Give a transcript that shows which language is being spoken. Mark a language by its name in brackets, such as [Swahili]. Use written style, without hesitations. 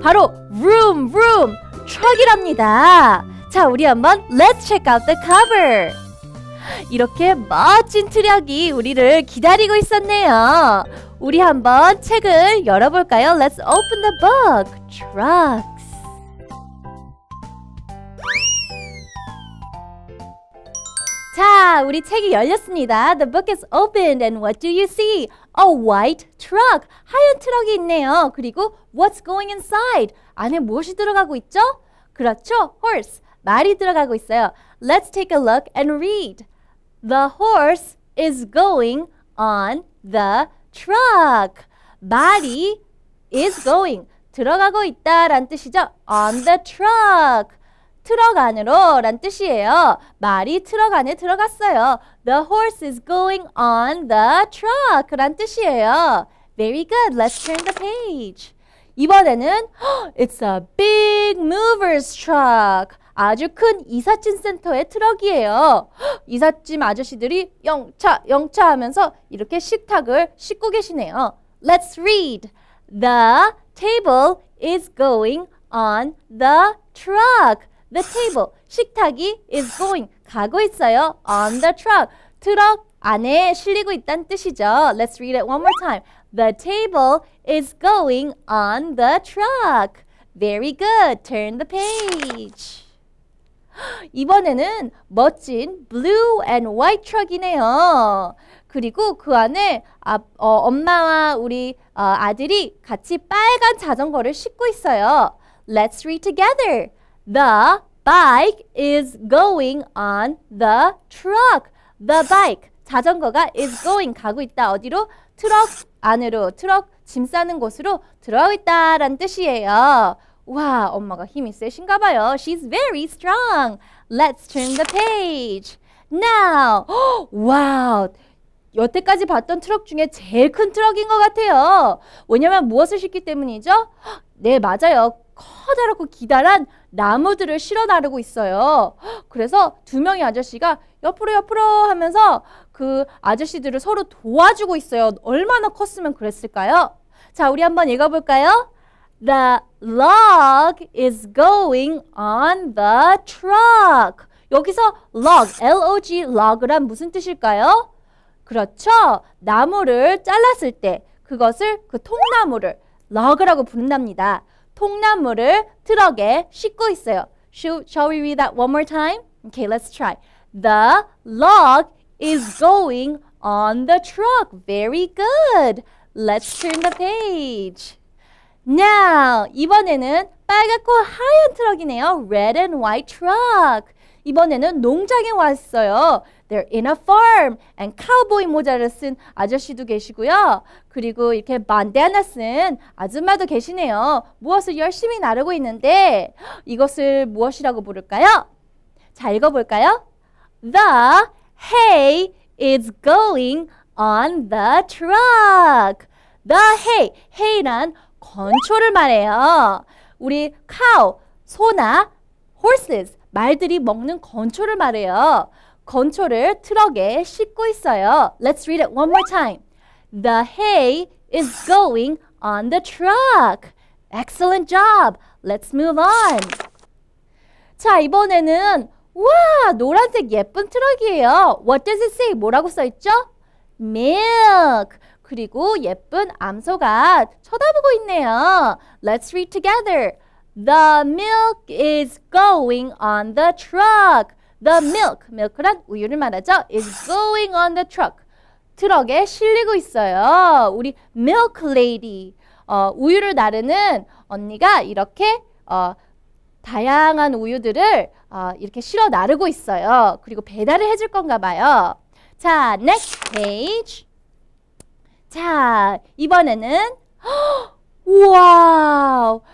[Korean] 바로 vroom, vroom, 트럭이랍니다. 자, 우리 한번 [English] let's check out the cover. [Korean] 이렇게 멋진 트럭이 우리를 기다리고 있었네요. 우리 한번 책을 열어볼까요? [English] Let's open the book. Trucks. [Korean] 자, 우리 책이 열렸습니다. [English] The book is opened and what do you see? A white truck. [Korean] 하얀 트럭이 있네요. [English] 그리고 what's going inside? [Korean] 안에 무엇이 들어가고 있죠? 그렇죠, horse. 말이 들어가고 있어요. [English] Let's take a look and read. The horse is going on the truck. [Korean] 말이 [English] is going, [Korean] 들어가고 있다 란 뜻이죠. [English] On the truck, [Korean] 트럭 안으로 란 뜻이에요. 말이 트럭 안에 들어갔어요. [English] The horse is going on the truck [Korean] 란 뜻이에요. [English] Very good. Let's turn the page. [Korean] 이번에는 [English] it's a big mover's truck. [Korean] 아주 큰 이삿짐 센터의 트럭이에요. 이삿짐 아저씨들이 영차, 영차 하면서 이렇게 식탁을 싣고 계시네요. [English] Let's read. The table is going on the truck. The table, [Korean] 식탁이 [English] is going, [Korean] 가고 있어요. [English] On the truck, [Korean] 트럭 안에 실리고 있다는 뜻이죠. [English] Let's read it one more time. The table is going on the truck. Very good. Turn the page. [Korean] 이번에는 멋진 [English] blue and white truck [Korean] 이네요. 그리고 그 안에 엄마와 우리 아들이 같이 빨간 자전거를 싣고 있어요. [English] Let's read together. The bike is going on the truck. The bike, [Korean] 자전거가 [English] is going, [Korean] 가고 있다. 어디로? 트럭 안으로, 트럭 짐 싸는 곳으로 들어가 있다라는 뜻이에요. 와, 엄마가 힘이 세신가 봐요. [English] She's very strong. Let's turn the page. [Korean] Now, 와우, 여태까지 봤던 트럭 중에 제일 큰 트럭인 것 같아요. 왜냐면 무엇을 싣기 때문이죠? 네, 맞아요. 커다랗고 기다란 나무들을 실어 나르고 있어요. 그래서 두 명의 아저씨가 옆으로 옆으로 하면서 그 아저씨들을 서로 도와주고 있어요. 얼마나 컸으면 그랬을까요? 자, 우리 한번 읽어볼까요? [English] The log is going on the truck. [Korean] 여기서 log, L-O-G, log란 무슨 뜻일까요? 그렇죠. 나무를 잘랐을 때 그것을 그 통나무를 log라고 부른답니다. 통나무를 트럭에 싣고 있어요. [English] Shall we read that one more time? Okay, let's try. The log is going on the truck. Very good. Let's turn the page. [Korean] Now, 이번에는 빨갛고 하얀 트럭이네요. [English] Red and white truck. [Korean] 이번에는 농장에 왔어요. [English] They're in a farm. [Korean] And 카우보이 모자를 쓴 아저씨도 계시고요. 그리고 이렇게 반다나 쓴 아줌마도 계시네요. 무엇을 열심히 나르고 있는데 이것을 무엇이라고 부를까요? 자, 읽어볼까요? [English] The hay is going on the truck. The hay. [Korean] Hay란 건초를 말해요. 우리 cow, 소나 horses, 말들이 먹는 건초를 말해요. 건초를 트럭에 싣고 있어요. [English] Let's read it one more time. The hay is going on the truck. Excellent job. Let's move on. [Korean] 자, 이번에는 와, 노란색 예쁜 트럭이에요. [English] What does it say? [Korean] 뭐라고 써있죠? [English] Milk. [Korean] 그리고 예쁜 암소가 쳐다보고 있네요. [English] Let's read together. The milk is going on the truck. The milk, [Korean] milk란 우유를 말하죠. [English] Is going on the truck. [Korean] 트럭에 실리고 있어요. 우리 milk lady. 우유를 나르는 언니가 이렇게 다양한 우유들을 이렇게 실어 나르고 있어요. 그리고 배달을 해줄 건가 봐요. 자, next page. 자, 이번에는 와우!